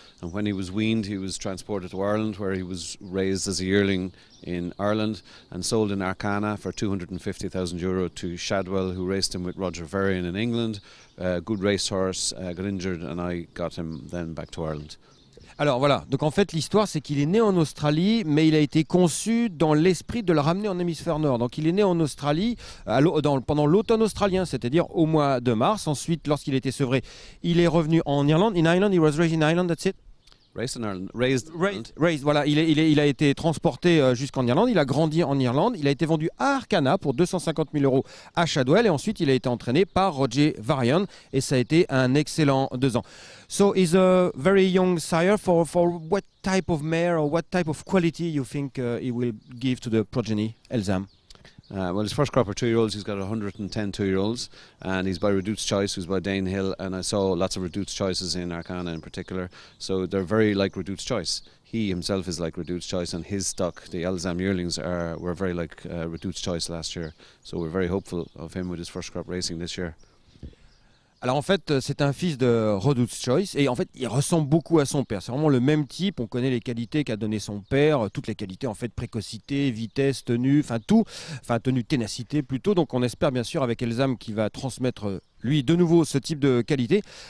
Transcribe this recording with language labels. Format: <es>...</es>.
<en>And when he was weaned, he was transported to Ireland, where he was raised as a yearling in Ireland and sold in Arcana for €250,000 to Shadwell, who raced him with Roger Varian in England. Good racehorse, got injured, and I got him then back to Ireland.</en> <fr>Alors voilà, donc en fait l'histoire c'est qu'il est né en Australie, mais il a été conçu dans l'esprit de le ramener en hémisphère nord. Donc il est né en Australie pendant l'automne australien, c'est-à-dire au mois de mars. Ensuite, lorsqu'il était sevré, il est revenu en Irlande.</fr> <en>In Ireland, he was raised in Ireland, that's it? Raised in Ireland. Raised.</en> <fr>Raised, voilà, il a été transporté jusqu'en Irlande, il a grandi en Irlande, il a été vendu à Arcana pour 250 000 euros à Shadwell, et ensuite il a été entraîné par Roger Varian, et ça a été un excellent 2 ans.</fr> <en>So he's a very young sire, for what type of mare or what type of quality you think he will give to the progeny, Elzam? Well, his first crop are two-year-olds. He's got 110 two-year-olds, and he's by Reduce Choice, who's by Dane Hill, and I saw lots of Reduce Choices in Arcana in particular, so they're very like Reduce Choice. He himself is like Reduce Choice, and his stock, the Elzam yearlings, were very like Reduce Choice last year, so we're very hopeful of him with his first crop racing this year.</en> <fr>Alors en fait, c'est un fils de Redoute Choice et en fait, il ressemble beaucoup à son père. C'est vraiment le même type, on connaît les qualités qu'a donné son père, toutes les qualités en fait, précocité, vitesse, tenue, enfin tout, enfin tenue, ténacité plutôt. Donc on espère bien sûr avec Elzam qui va transmettre lui de nouveau ce type de qualité.</fr>